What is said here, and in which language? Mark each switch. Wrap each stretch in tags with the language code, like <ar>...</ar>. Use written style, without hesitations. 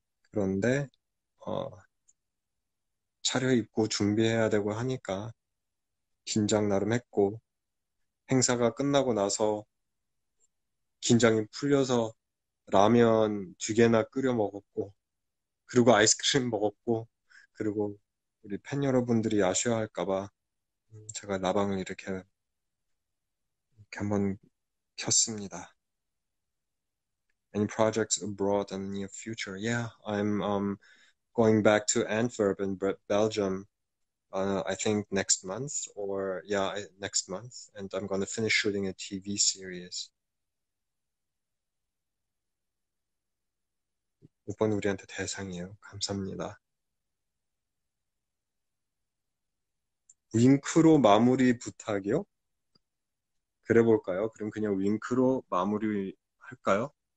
<ko>그런데 차려입고 준비해야 되고 하니까 긴장 나름 했고, 행사가 끝나고 나서 긴장이 풀려서 라면 두 개나 끓여 먹었고, 그리고 아이스크림 먹었고, 그리고 우리 팬 여러분들이 아쉬워할까봐 제가 나방을 이렇게 한번 켰습니다.</ko> <en>Any projects abroad in the near future? Yeah, I'm going back to Antwerp in Belgium. I think next month, or yeah, next month, and I'm gonna finish shooting a TV series.</en> <ko>이번 우리한테 대상이에요. 감사합니다. 윙크로 마무리 부탁이요? 그래 볼까요? 그럼 그냥 윙크로 마무리 할까요?</ko>